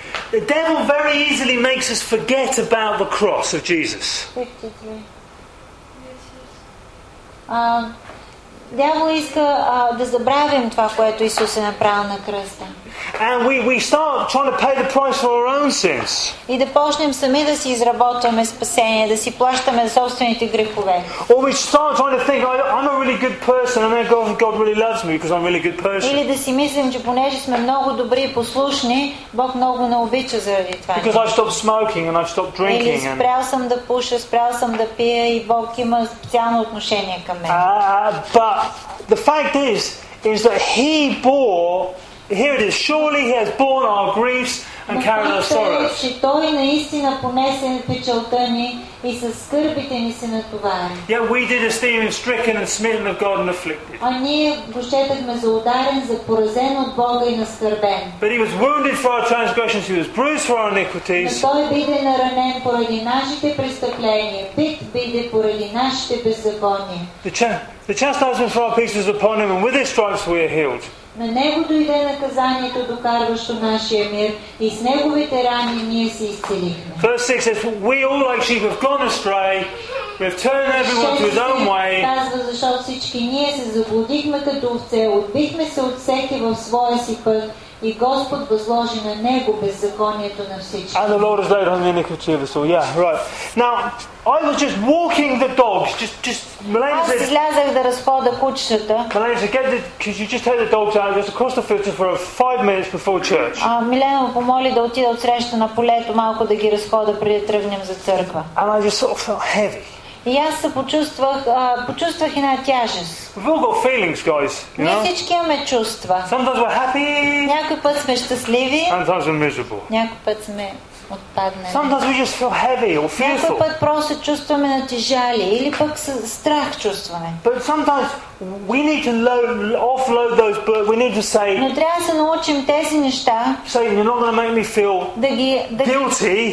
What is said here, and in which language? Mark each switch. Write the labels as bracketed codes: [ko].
[en] The devil very easily makes us forget about the cross of Jesus. [bg] 53. Дявол иска да забравим това, което Исус е направил на кръста. [en] And we start trying to pay the price for our own sins. [bg] И да почнем сами да си изработваме спасение, да си плащаме за собствените грехове. [en] Or we start trying to think, I'm a really good person, and then God really loves me because I'm a really good person. [bg] Или да си мислим, че понеже сме много добри и послушни, Бог много ме обича заради това. [en] Because I stopped smoking and I stopped drinking. [bg] Или спрял съм да пуша, спрял съм да пия и Бог има специално отношение към мен. [en] But the fact is that He bore. Here it is. Surely He has borne our griefs and carried our sorrows. [bg] Че той наистина понесе печалта ни и със скърбите ни се натовари. [en] Yet we did esteem Him stricken and smitten of God and afflicted. [bg] А ние го счетахме за ударен, за поразен от Бога и наскърбен. [en] But He was wounded for our transgressions; He was bruised for our iniquities. [bg] Но той биде наранен поради нашите престъпления, бит биде поради нашите беззакония. [en] The chastisement for our peace was upon Him, and with His stripes we are healed. [bg] На Него дойде наказанието, докарващо нашия мир, и с Неговите рани ние се изцелихме. [en] Verse 6 says, we all like sheep have gone astray, we have turned everyone to his own way. [bg] Казва, защото всички ние се заблудихме като овце, отбихме се от всеки в своя си път, и Господ възложи на Него беззаконието на всички. [en] And the Lord has laid on the iniquity of us all. Yeah, right. Now, I was just walking the dogs. Just Melanie said. [bg] Аз излязах да разхода кучетата. [en] Melanie said, could you just take the dogs out just across the field for 5 minutes before church? [bg] Милена ме помоли да отида от среща на полето малко да ги разхода преди да тръгнем за църква. [en] And I just sort of felt heavy. [bg] И аз се почувствах една тежест. [en] We've all got feelings, guys. [bg] Ние всички имаме чувства. [en] Sometimes we're happy. [bg] Някой път сме щастливи. [en] Sometimes we're miserable. [bg] Някой път сме отпаднали. [en] Sometimes we just feel heavy or fearful. [bg] Някой път просто чувстваме натежали или пък страх чувстваме. [en] But sometimes we need to offload those burdens. We need to say. [bg] Но трябва да се научим тези неща. [en] Say, you're not going to make me feel guilty.